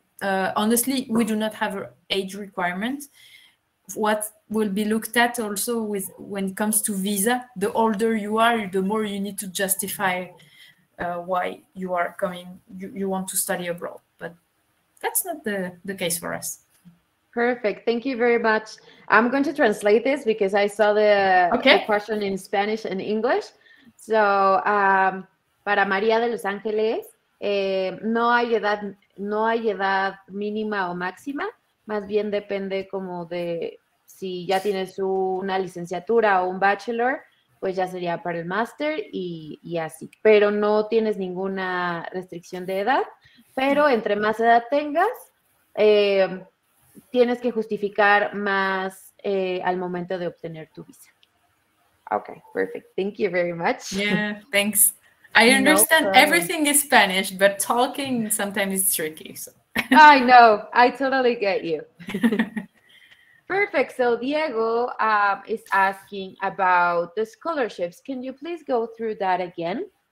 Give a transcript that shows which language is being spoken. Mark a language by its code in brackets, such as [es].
[en] Honestly, we do not have an age requirement. What will be looked at also with when it comes to visa, the older you are, the more you need to justify why you are coming, you want to study abroad. But that's not the case for us. Perfect. Thank you very much. I'm going to translate this because I saw the question in Spanish and English. [es] So para María de Los Ángeles, no hay edad mínima o máxima. Más bien depende como de si ya tienes una licenciatura o un bachelor, pues ya sería para el máster y así. Pero no tienes ninguna restricción de edad. Pero entre más edad tengas, tienes que justificar más al momento de obtener tu visa. [en] Okay, perfect. Thank you very much. Yeah, thanks. I understand everything is Spanish, but talking sometimes is tricky. So. I know. I totally get you. Perfect. So Diego is asking about the scholarships. Can you please go through that again?